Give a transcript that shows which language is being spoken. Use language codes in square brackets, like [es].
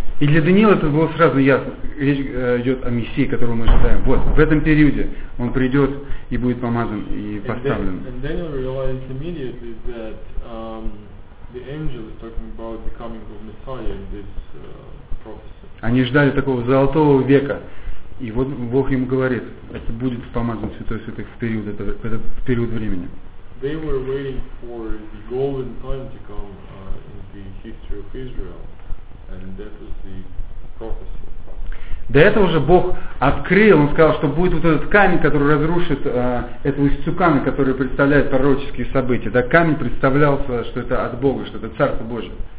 [ru] И для Даниила это было сразу ясно. Речь идет о Мессии, которого мы ожидаем. Вот, в этом периоде он придет и будет помазан и поставлен. [en] And Daniel realized immediately that the angel is talking about the coming of Messiah in this prophecy. [ru] Они ждали такого золотого века. И вот Бог им говорит, это будет помазан Святой Святых в период, в этот период времени. [en] They were waiting for the golden time to come in the history of Israel. And that was the prophecy. [ru] До этого же Бог открыл, Он сказал, что будет вот этот камень, который разрушит этого истукана, который представляет пророческие события. Да, камень представлялся, что это от Бога, что это Царство Божие.